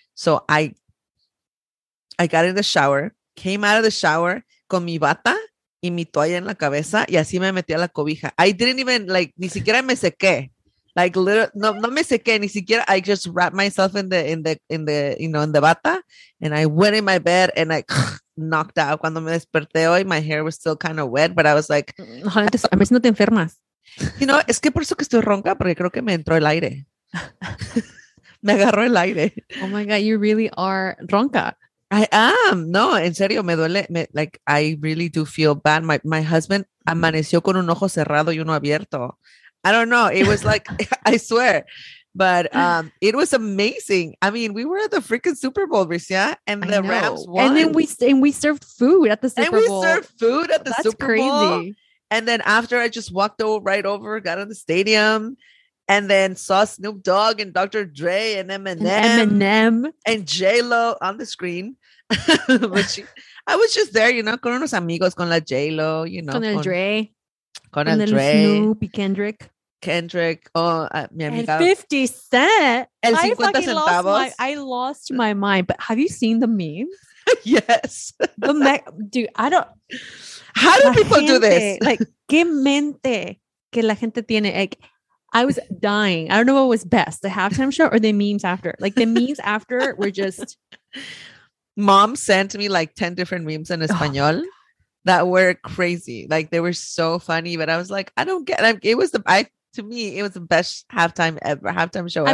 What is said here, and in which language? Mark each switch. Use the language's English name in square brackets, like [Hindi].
[English] So I got in the shower, [Spanish] came out of the shower con mi bata y mi toalla en la cabeza, y así me metí a la cobija. [English] I didn't even, like, [Spanish] ni siquiera me sequé. [English] Like, literally, [Spanish] no me sequé, ni siquiera. [English] I just wrapped myself in the bata, and I went in my bed, and I knocked out. [Spanish] Cuando me desperté hoy, [English] my hair was still kind of wet, but I was like, [Spanish] a veces no te enfermas. [English] You know, [Spanish] es que por eso que estoy ronca, porque creo que me entró el aire. Me agarró el aire. [English] Oh my God, you really are ronca. I am. [Spanish] No, en serio, me duele. [English] Like, I really do feel bad. My husband [Spanish] amaneció con un ojo cerrado y uno abierto. [English] I don't know. It was like, I swear, but it was amazing. I mean, we were at the freaking Super Bowl, Bricia, and the Rams won. And then we served food at the Super Bowl. And we served food at the Super Bowl. And then after, I just walked right over, got in the stadium, and then saw Snoop Dogg and Dr. Dre and Eminem and J-Lo on the screen. I was just there, you know, [Spanish] con unos amigos, con la J-Lo, [English] you know. [Spanish] Con el Dre. Con André. Snoopy, Kendrick. Kendrick. [English] Oh, [Spanish] mi amiga. [English] And 50 Cent. [Spanish] El 50 centavos. [English] I lost my mind. But have you seen the memes? Yes. Dude, I don't. How do people do this? Like, [Spanish] qué mente que la gente tiene. [English] Like, I was dying. I don't know what was best, the halftime show or the memes after. Like, the memes after were just... Mom sent me like 10 different memes in Espanol that were crazy. Like, they were so funny, but I was like, I don't get it. It was the best halftime ever, halftime show ever.